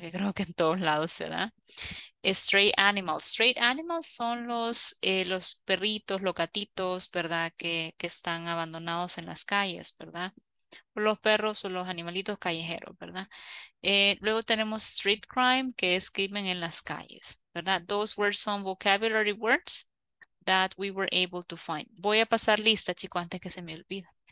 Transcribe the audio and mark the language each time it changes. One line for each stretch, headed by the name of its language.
Spanish: Que creo que en todos lados se da. Stray animals. Stray animals son los perritos, los gatitos, ¿verdad? Que están abandonados en las calles, ¿verdad? los perros o los animalitos callejeros, ¿verdad? Luego tenemos street crime, que es crimen en las calles, ¿verdad?
English: Those were some vocabulary words that we were able to find.
Spanish: Voy a pasar lista, chico, antes que se me olvide.